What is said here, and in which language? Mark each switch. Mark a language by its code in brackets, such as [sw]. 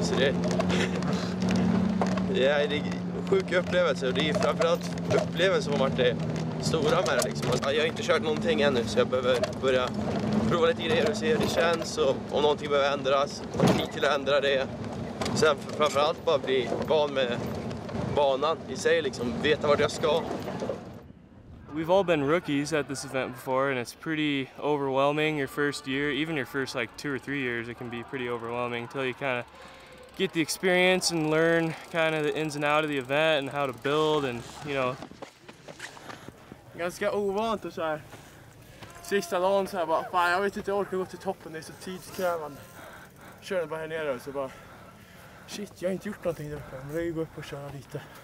[sv] Så det är en sjuk upplevelse, och det är framförallt upplevelsen som har varit det stora med det liksom. Jag har inte kört någonting ännu, så jag behöver börja prova lite grejer och se hur det känns och om någonting behöver ändras. Och tid till att ändra det. Sen framförallt bara bli van med banan i sig liksom. Veta vart jag ska. [en] We've all been rookies at this event before, and it's pretty overwhelming your first year. Even your first like 2 or 3 years, it can be pretty overwhelming until you kind of get the experience and learn kind of the ins and out of the event and how to build and, you know. [sv] Ganska ovant och så här. Sista dagen så här bara, fan jag vet inte, jag orkar gå till toppen, det är så tidskrävande. Kör den bara här nere och så bara, shit, jag har inte gjort någonting där uppe, men jag vill gå upp och köra lite.